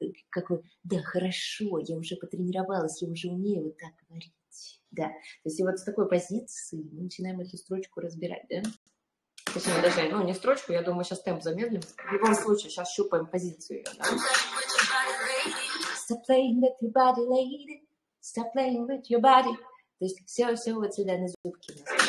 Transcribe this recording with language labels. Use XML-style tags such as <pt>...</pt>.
<ru>Как вы, да, хорошо, я уже потренировалась, я уже умею вот так говорить. Да, то есть и вот с такой позиции мы начинаем эту строчку разбирать, да? То есть мы даже, ну, не строчку, я думаю, сейчас темп замедлим. В любом случае, сейчас щупаем позицию. Да?</ru> <en>Stop playing with your body, lady. Stop playing with your body.</en> <ru>То есть все вот сюда на зубки. Да?</ru>